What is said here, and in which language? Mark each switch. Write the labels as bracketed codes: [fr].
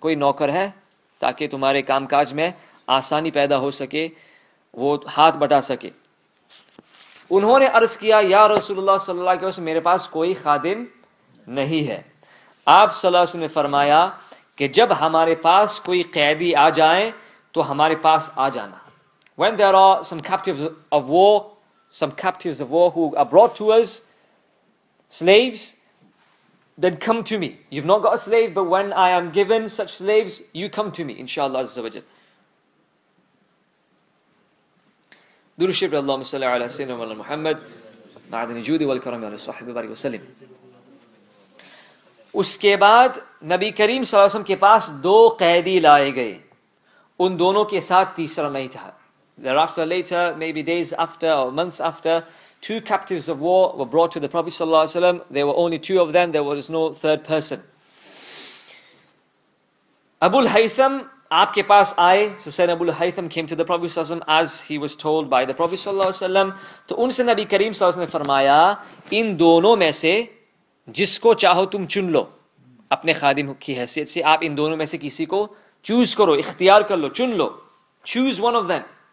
[ur] کوئی نوکر ہے تاکہ تمہارے کام کاج میں آسانی پیدا ہو سکے, وہ ہاتھ بٹا سکے. انہوں نے عرض کیا یا رسول اللہ صلی اللہ علیہ وسلم میرے پاس کوئی خادم نہیں ہے. آپ صلی اللہ علیہ وسلم نے فرمایا کہ جب ہمارے پاس کوئی قیدی آ جائیں تو ہمارے پاس آ جانا. [en] When there are some captives of war who are brought to us, slaves, then come to me. You've not got a slave, but when I am given such slaves, you come to me, inshallah azza wa jal. [ar] درود شریف اللهم صل على سيدنا محمد بعد نجود والكرم على صحبه بارك وسلم. [ur] اس کے بعد نبی کریم صلی اللہ علیہ وسلم کے پاس دو قیدی لائے گئے, ان دونوں کے ساتھ تیسرا نہیں تھا. [en] Thereafter, later, maybe days after or months after, two captives of war were brought to the Prophet صلی اللہ علیہ وسلم. There were only two of them, there was no third person. [ur] ابو الحیثم آپ کے پاس آئے, [en] so سیدنا ابو الحیثم came to the Prophet صلی اللہ علیہ وسلم as he was told by the Prophet صلی اللہ علیہ وسلم. [ur] تو ان سے نبی کریم صلی اللہ علیہ وسلم نے فرمایا ان دونوں میں سے جس کو چاہو تم چن لو. اپنے خادم کی حیثیت سے آپ ان دونوں میں سے کسی کو چوز کرو, اختیار کر لو, چن لو, [en] Choose one of them.